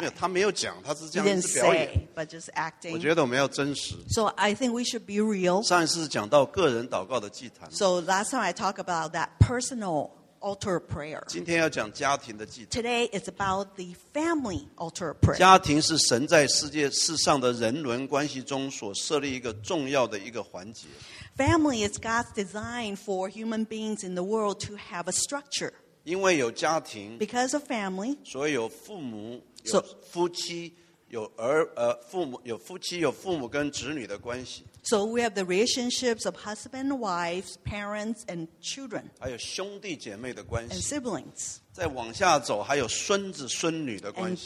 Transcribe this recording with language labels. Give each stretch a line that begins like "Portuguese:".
Chinese: 没有，他没有讲，他是这样子表演。
English: He didn't say, but just acting.
Chinese: 我觉得我们要真实。
English: So I think we should be real.
Chinese: 上一次讲到个人祷告的祭坛。
English: So last time I talked about that personal altar prayer.
Chinese: 今天要讲家庭的祭坛。
English: Today it's about the family altar prayer.
Chinese: 家庭是神在世上的人伦关系中所设立一个重要的一个环节。
English: Family is God's design for human beings in the world to have a structure.
Chinese: 因为有家庭。
English: Because of family.
Chinese: 所以有父母，有夫妻，有父母跟子女的关系。
English: So we have the relationships of husband, wives, parents, and children.
Chinese: 还有兄弟姐妹的关系。
English: And siblings.
Chinese: 再往下走，还有孙子孙女的关系。